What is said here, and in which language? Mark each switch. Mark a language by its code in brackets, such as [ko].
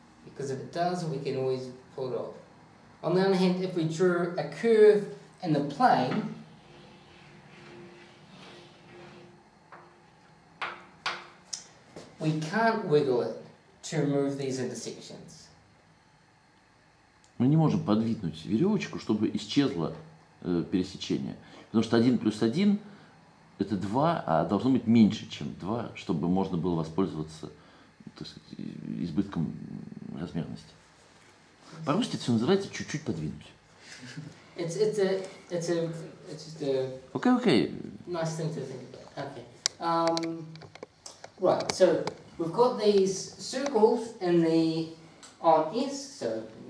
[en] Because if it does, we can always pull it off. On the other hand, if we drew a curve in the plane, we can't wiggle it to remove these intersections. [ru] Мы не можем подвинуть веревочку, чтобы исчезло пересечение. Потому что 1 плюс 1 – это 2, а должно быть меньше, чем 2, чтобы можно было воспользоваться, так сказать, избытком размерности. По-русски это все называется «чуть-чуть подвинуть». [en] It's just a nice thing to think about. Okay. Right, so we've got these circles in the on S, so